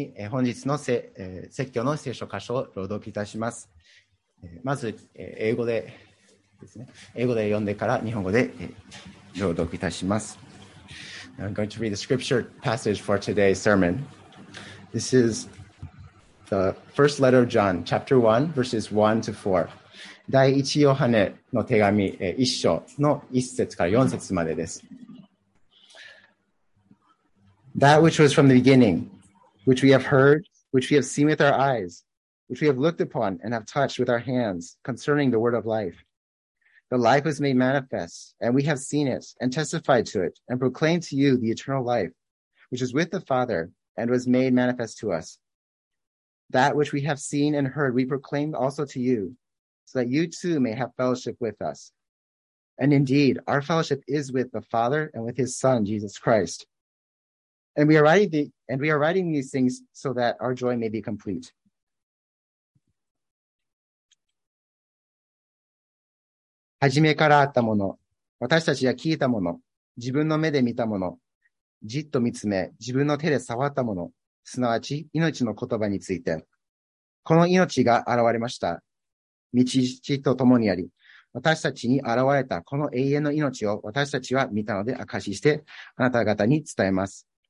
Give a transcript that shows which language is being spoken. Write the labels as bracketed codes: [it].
[ja] 本日の説教の聖書箇所を朗読いたします。まず英語でですね、英語で読んでから日本語で朗読いたします。 [en] Now, I'm going to read the scripture passage for today's sermon. This is the first letter of John, chapter 1, verses 1 to 4. [ja] 第一ヨハネの手紙一章の一節から四節までです。 [en] That which was from the beginning,which we have heard, which we have seen with our eyes, which we have looked upon and have touched with our hands concerning the word of life. The life was made manifest, and we have seen it and testified to it and proclaimed to you the eternal life, which is with the Father and was made manifest to us. That which we have seen and heard, we proclaim also to you, so that you too may have fellowship with us. And indeed, our fellowship is with the Father and with his Son, Jesus Christ. And we are writing these things so that our joy may be complete. [ja] はじめからあったもの、私たちが聞いたもの、自分の目で見たもの、じっと見つめ、自分の手で触ったもの、すなわち命の言葉について。この命が現れました。道々と共にあり、私たちに現れたこの永遠の命を私たちは見たので証ししてあなた方に伝えます。